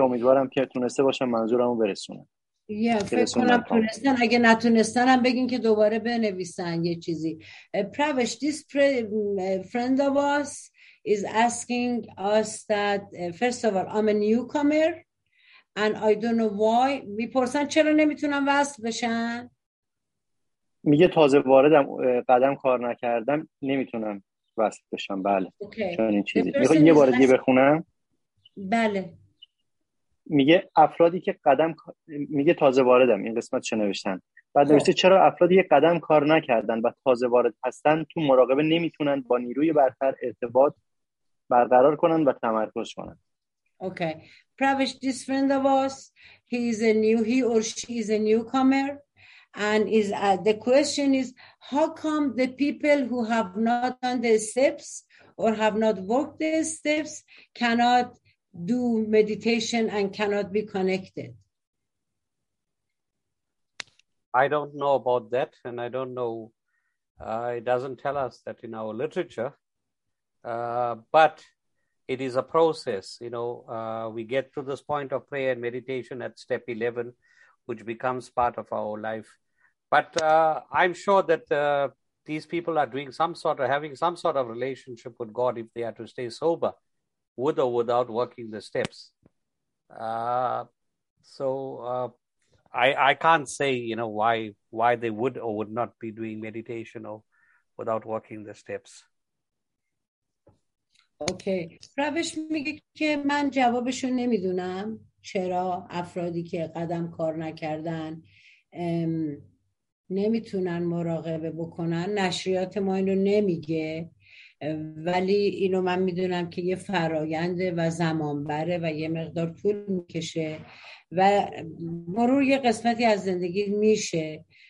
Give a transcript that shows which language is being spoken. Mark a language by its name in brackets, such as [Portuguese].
[Persian] امیدوارم که تونسته باشم منظورمو برسونم. فکر کنم تونستن. اگه نتونستن هم بگین که دوباره بنویسن یه چیزی. [English] پروش، this friend of us is asking us that first of all I'm a newcomer and I don't know why. [Persian] میپرسن چرا نمیتونم وصل بشن. میگه تازه واردم، قدم کار نکردم، نمیتونم وصل بشم. بله. چون این چیزی میخوام یه بار دیگه بخونم. بله. میگه افرادی که قدم، میگه تازه واردم، این قسمت چه نوشتن؟ بعد نوشته چرا افرادی که قدم کار نکردن و تازه وارد هستن تو مراقبه نمیتونن با نیروی برتر ارتباط برقرار کنن و تمرکز کنن. اوکی. [English] پروش، this friend of us, he or she is a newcomer and is the question is how come the people who have not done the steps or have not walked the steps cannot do meditation and cannot be connected? I don't know about that, and I don't know, it doesn't tell us that in our literature, but it is a process, you know. We get to this point of prayer and meditation at step 11, which becomes part of our life. But I'm sure that these people are doing some sort of, having some sort of relationship with God if they are to stay sober, with or without working the steps. So I can't say, you know, why they would or would not be doing meditation or without working the steps. Okay. [Persian] روش میگه که من جوابشو نمیدونم چرا افرادی که قدم کار نکردن نمیتونن مراقبه بکنن. نشریات ما اینو نمیگه، ولی اینو من میدونم که یه فراینده و زمانبره و یه مقدار طول میکشه و مرور یه قسمتی از زندگی میشه.